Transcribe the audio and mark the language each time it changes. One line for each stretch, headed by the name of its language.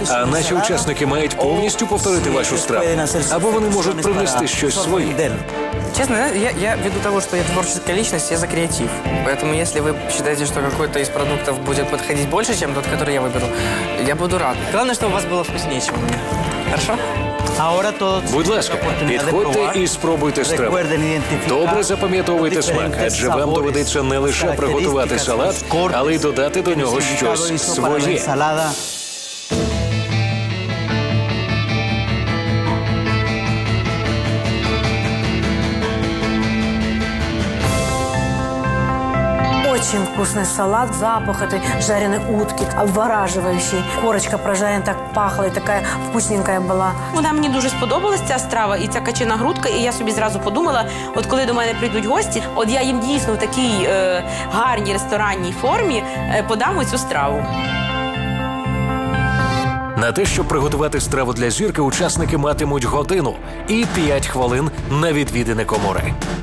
Ukrainian: а наші учасники мають повністю повторити вашу страву? Або вони можуть принести щось своє?
Russian: Честно, я ввиду того, что я творческая личность, я за креатив. Поэтому если вы считаете, что какой-то из продуктов будет подходить больше, чем тот, который я выберу, я буду рад. Главное, чтобы у вас было вкуснее, чем у меня. Хорошо?
Ukrainian: Будь ласка, підходьте і спробуйте страву. Добре запам'ятовуйте смак, адже вам доведеться не лише приготувати салат, але й додати до нього щось своє.
Russian: Очень вкусный салат, запах этой жареной утки, обвораживающий. Корочка прожаренная так пахла и такая вкусненькая была.
Ukrainian: Вона мені дуже сподобалась ця страва і ця качана грудка, і я собі зразу подумала, от коли до мене прийдуть гості, от я їм дійсно в такій гарній ресторанній формі подам цю страву. На те, щоб приготувати страву для зірки, учасники матимуть годину і 5 хвилин на відвідини комори.